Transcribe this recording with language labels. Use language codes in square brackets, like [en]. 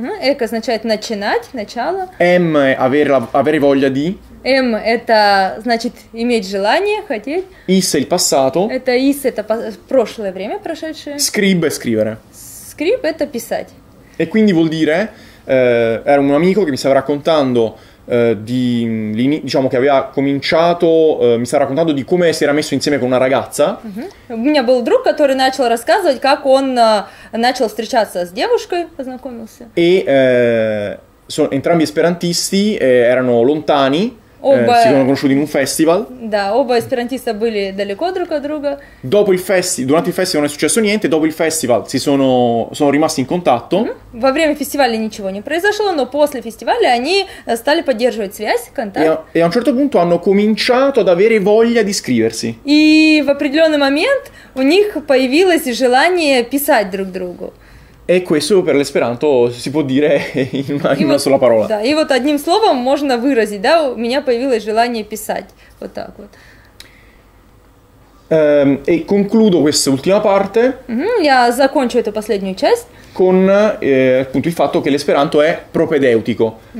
[ru] Ec означает начинать, начало. [it] M avere voglia di. [ru] M это значит иметь желание, хотеть. [it] Is il passato. [ru] Это is это прошлое время прошедшее. [it] Scribe scrivere. [ru] Scribe это писать. [it] E quindi vuol dire era un amico che mi stava raccontando diciamo che aveva cominciato, mi sta raccontando di come si era messo insieme con una ragazza. [ru] У меня был друг, который начал рассказывать, как он начал встречаться с девушкой, познакомился. [it] E entrambi esperantisti erano lontani, si sono conosciuti in un festival. [ru] Да, оба эсперантиста были далеко друг от друга. [it] Durante il festival non è successo niente, dopo il festival sono rimasti in contatto. [ru] Во время фестиваля ничего не произошло, но после фестиваля они стали поддерживать связь, контакт. [it] E a un certo punto hanno cominciato ad avere voglia di scriversi. [ru] И в определенный момент у них появилось желание писать друг другу. [it] E questo per l'esperanto si può dire in una sola parola. [ru] Да, и вот одним словом можно выразить, да, у меня появилось желание писать. Вот так вот. [it] E concludo questa ultima parte. [ru] Я закончу эту последнюю часть. [it] Con appunto il fatto che l'esperanto è propedeutico.